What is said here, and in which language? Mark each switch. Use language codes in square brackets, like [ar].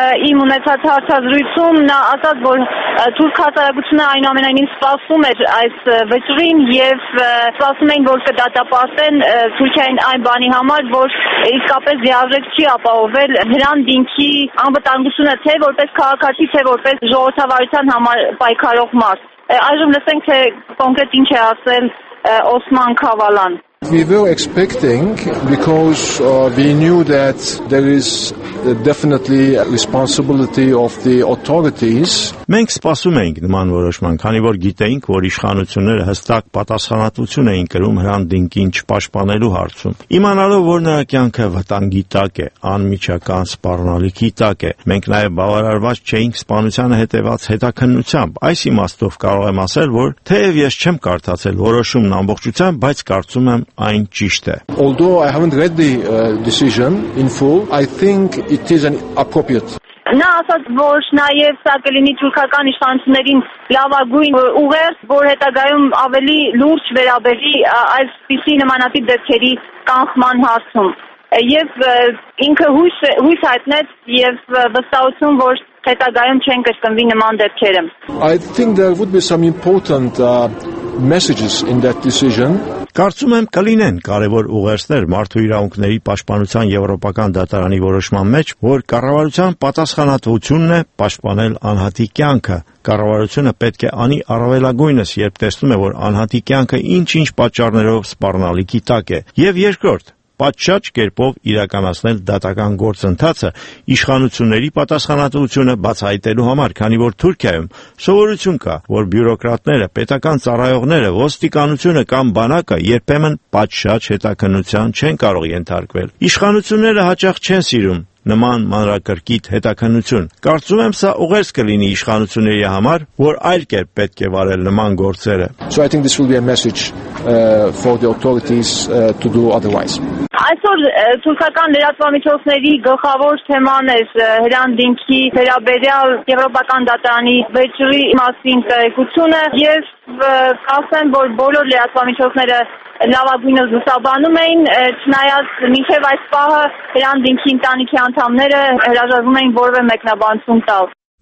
[hy] իմ ունեցած հարցազրույցում նա ասաց, որ թուրք հասարակությունը այնուամենայնիվ սպասում էր այս վճռին և սպասում էին, որ կդատապարտեն Թուրքիային այն բանի համար, որ իսկապես լիարժեք չի ապահովել Հրանտ Դինքի անվտանգությունը, թե որպես քաղաքացի, թե որպես ժողովրդավարության համար պայքարող մարդ։ Այժմ լսենք, թե կոնկրետ ինչ է ասել Օսման Քավալան։ [en] We were expecting, because we knew that there is definitely a responsibility of the authorities. [hy] Մենք սպասում էինք նման որոշման, քանի որ գիտեինք, որ իշխանությունները հստակ պատասխանատվություն էին կրում Հրանտ Դինքին չպաշտպանելու հարցում։ Իմանալով, որ նրա կյանքը վտանգի տակ է, անմիջական սպառնալիքի տակ է, մենք նաև բավարարված չէինք սպանությանը հետևած հետաքննությամբ։ Այս իմաստով կարող եմ ասել, որ թեև ես չեմ կարդացել որոշումն ամբողջությամբ, բայց կարծում եմ այն ճիշտ է։ [en] Although I haven't read the decision in full, I think it is an appropriate. [hy] Նա ասաց, որ նաև սա կլինի թուրքական իշխանություններին լավագույն ուղերձ, որ հետագայում ավելի լուրջ վերաբերի այսպիսի նմանատիպ դեպքերի կանխման հարցում։ Եվ ինքը հույս հայտնեց և վստահություն, որ հետագայում չեն կրկնվի նման դեպքերը։ [en] I think there would be some important messages in that decision. [hy] Կարծում եմ կլինեն կարևոր ուղերձներ մարդու իրավունքների պաշտպանության Եվրոպական դատարանի որոշման մեջ, որ կառավարության պատասխանատվությունն է պաշտպանել անհատի կյանքը։ Կառավարությունը պետք է անի առավելագույնս, երբ տեսնում է, որ անհատի կյանքը ինչ-ինչ պատճառներով սպառնալիքի տակ է։ Եվ երկրորդ, պատշաճ կերպով իրականացնել դատական գործընթացը իշխանությունների պատասխանատվությունը բացահայտելու համար, քանի որ Թուրքիայում սովորություն կա, որ բյուրոկրատները, պետական ծառայողները, ոստիկանությունը կամ բանակը երբեմն պատշաճ հետաքննության չեն կարող ենթարկվել։ Իշխանությունները հաճախ չեն սիրում նման մանրակրկիտ հետաքննություն։ Կարծում եմ, սա ուղերձ կլինի իշխանությունների համար, որ այլ կերպ պետք է վարել նման գործերը։ [en] So I think this will be a message for the authorities to do otherwise. [hy] Այսօր թուրքական լրատվամիջոցների գլխավոր թեման է Հրանտ Դինքի վերաբերյալ Եվրոպական դատարանի վճռի մասին տեղեկությունը, և ասեմ, որ բոլոր լրատվամիջոցները լավագույնը զուսաբանում էին, չնայած մինչև այս պահը Հրանտ Դինքի ընտանիքի անդամները հրաժարվում էին որևէ մեկնաբանություն տալ։